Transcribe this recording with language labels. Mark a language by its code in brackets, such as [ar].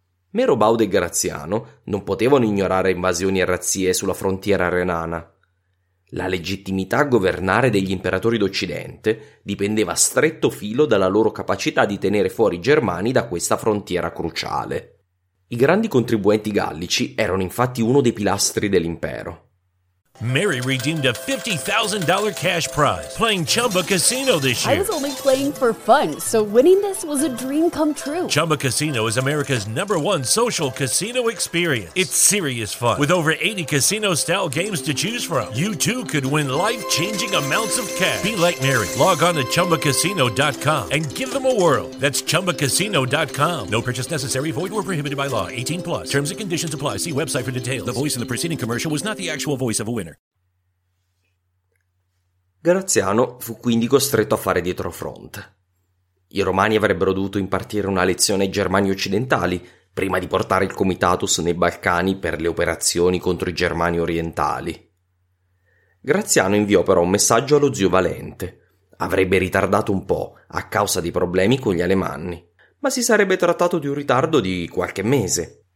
[it] Merobaude e Graziano non potevano ignorare invasioni e razzie sulla frontiera renana. La legittimità a governare degli imperatori d'Occidente dipendeva a stretto filo dalla loro capacità di tenere fuori i germani da questa frontiera cruciale. I grandi contribuenti gallici erano infatti uno dei pilastri dell'impero. [en] Mary redeemed a $50,000 cash prize playing Chumba Casino this year. I was only playing for fun, so winning this was a dream come true. Chumba Casino is America's number one social casino experience. It's serious fun. With over 80 casino-style games to choose from, you too could win life-changing amounts of cash. Be like Mary. Log on to ChumbaCasino.com and give them a whirl. That's ChumbaCasino.com. No purchase necessary. Void where prohibited by law. 18 plus. Terms and conditions apply. See website for details. The voice in the preceding commercial was not the actual voice of a winner. [it] Graziano fu quindi costretto a fare dietro fronte. I romani avrebbero dovuto impartire una lezione ai germani occidentali prima di portare il comitatus nei Balcani per le operazioni contro i germani orientali. Graziano inviò però un messaggio allo zio Valente. Avrebbe ritardato un po' a causa dei problemi con gli alemanni, ma si sarebbe trattato di un ritardo di qualche mese.